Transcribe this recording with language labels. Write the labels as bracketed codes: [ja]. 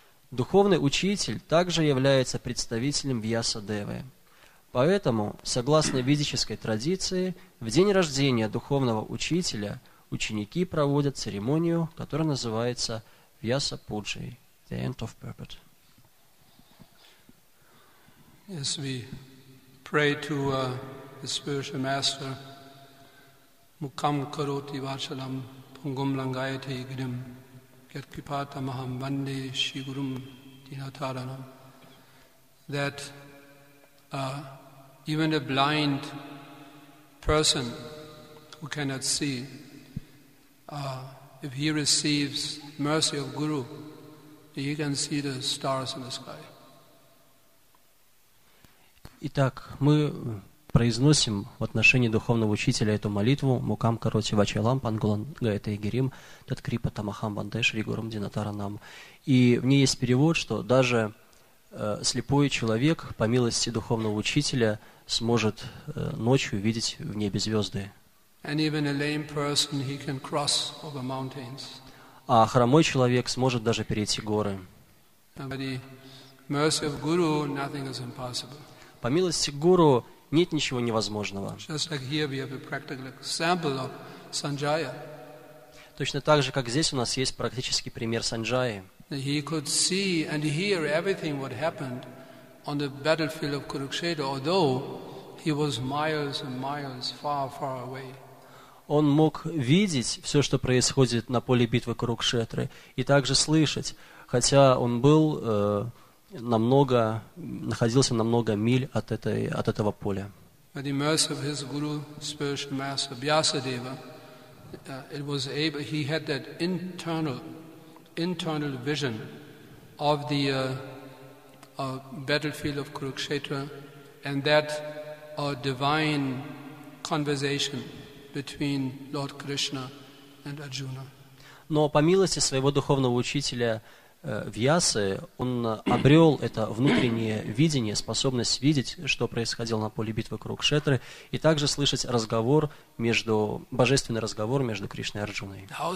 [ru] Духовный учитель также является представителем Вьяса-девы. Поэтому, согласно ведической традиции, в день рождения духовного учителя ученики проводят церемонию, которая называется Вьяса-пуджей, [en] the end of purport. As we pray to the spiritual master, [sa] Mukham karoti vachalam pungum langayate girim yatkipata maham vande shigurum dinataranam, [en] that even a blind person who cannot see, if he receives mercy of Guru, he can see the stars in the sky. [ru] Итак, мы произносим в отношении духовного учителя эту молитву [sa] «Мукам короти вачалам пангулан гаэта игирим таткрипа тамахам бандэш ригурам динатаранам». [ru] И в ней есть перевод, что даже слепой человек по милости духовного учителя сможет ночью видеть в небе звезды. [en] And even a lame person, he can cross over mountains. [ru] А хромой человек сможет даже перейти горы. [en] By the mercy of Guru, nothing is impossible. [ru] По милости Гуру нет ничего невозможного. [en] Just like here we have a practical example of Sanjaya. [ru] Точно так же, как здесь у нас есть практический пример Санджаи. [en] He could see and hear everything what happened on the battlefield of Kurukshetra, although he was miles and miles far, far away. [ru] Он мог видеть все, что происходит на поле битвы Курукшетры, и также слышать, хотя он был находился на много миль от этого поля. [en] By the mercy of his guru, spiritual master Vyasadeva, it was able, he had that internal vision of the battlefield of Kurukshetra, and that divine conversation between Lord Krishna and Arjuna. [ru] Но по милости своего духовного учителя Вьясы, он обрел это внутреннее видение, способность видеть, что происходило на поле битвы Курукшетры, и также слышать разговор между, божественный разговор между Кришной и Арджуной.